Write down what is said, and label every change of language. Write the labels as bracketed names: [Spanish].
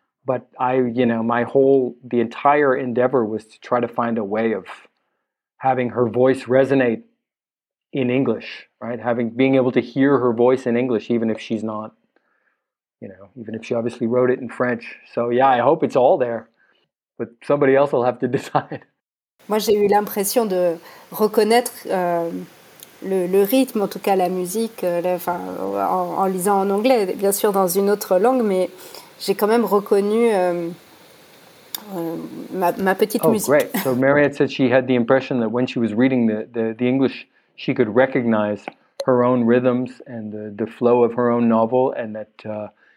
[English] But I, you know, the entire endeavor was to try to find a way of having her voice resonate in English, right? Being able to hear her voice in English, even if she's not. You know, even if she obviously wrote it in French. So yeah, I hope it's all there, but somebody else will have to decide. [French] Moi, j'ai eu l'impression de reconnaître le rythme, en tout cas la musique, en lisant en anglais, bien sûr dans une autre langue, mais j'ai quand même reconnu ma petite musique. [English] Oh, great. So Mariette said she had the impression that when she was reading the English, she could recognize her own rhythms and the flow of her own novel, and that...